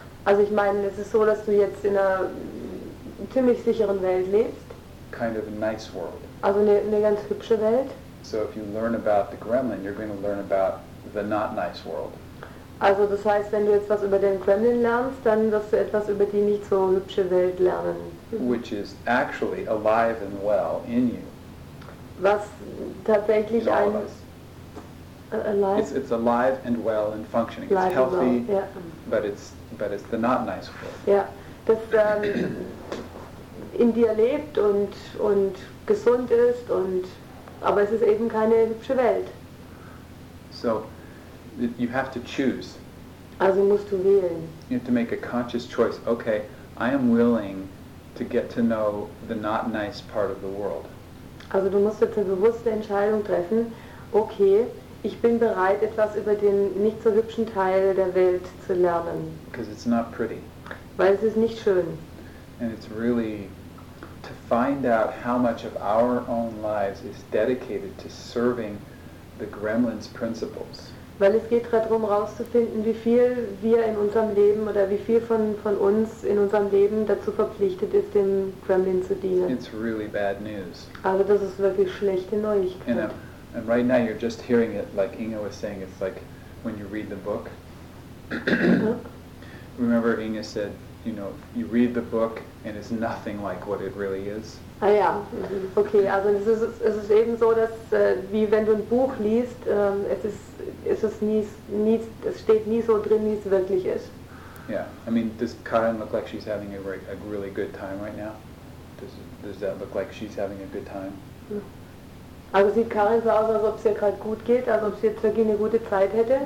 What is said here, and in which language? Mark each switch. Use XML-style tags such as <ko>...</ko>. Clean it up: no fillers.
<de>Also ich meine, es ist so, dass du jetzt in einer ziemlich sicheren Welt lebst.</de> <en>Kind of a nice world.</en> <de>Also eine ganz hübsche Welt.</de> <en>So if you learn about the Kremlin, you're going to learn about the not nice world.</en> <de>Also das heißt, wenn du jetzt was über den Kremlin lernst, dann wirst du etwas über die nicht so hübsche Welt lernen.</de> <en>Which is actually alive and well in you.</en> <de>Was tatsächlich in ein...</de> <en>alive? It's alive and well and functioning. Alive it's healthy, well. Yeah. but it's the not nice world. Ja, yeah.</en> <de>Das in dir lebt und gesund ist, und aber es ist eben keine hübsche Welt.</de> <en>So, you have to choose.</en> <de>Also musst du wählen.</de> <en>You have to make a conscious choice. Okay, I am willing to get to know the not nice part of the world.</en> <de>Also du musst jetzt eine bewusste Entscheidung treffen. Okay, ich bin bereit, etwas über den nicht so hübschen Teil der Welt zu lernen.</de> <en>Because it's not pretty.</en> <de>Weil es ist nicht schön.</de> <en>And it's really to find out how much of our own lives is dedicated to serving the Gremlin's principles.</en> <de>Weil es geht darum herauszufinden, wie viel wir in unserem Leben oder wie viel von uns in unserem Leben dazu verpflichtet ist, dem Gremlin zu dienen.</de> <en>It's really bad news.</en> <de>Also das ist wirklich schlechte Neuigkeit.</de> <en>And right now you're just hearing it, like Inga was saying, it's like when you read the book. Remember Inga said, you know, you read the book and it's nothing like what it really is.</en> <de>Ah ja, okay, also es ist eben so, dass wie wenn du ein Buch liest, es steht nie so drin, wie es wirklich ist.</de> <en>Yeah, I mean, does Karen look like she's having a really good time right now? Does that look like she's having a good time?</en> <de>Also sieht Karen so aus, als ob es ihr gerade gut geht, als ob sie jetzt wirklich eine gute Zeit hätte?</de>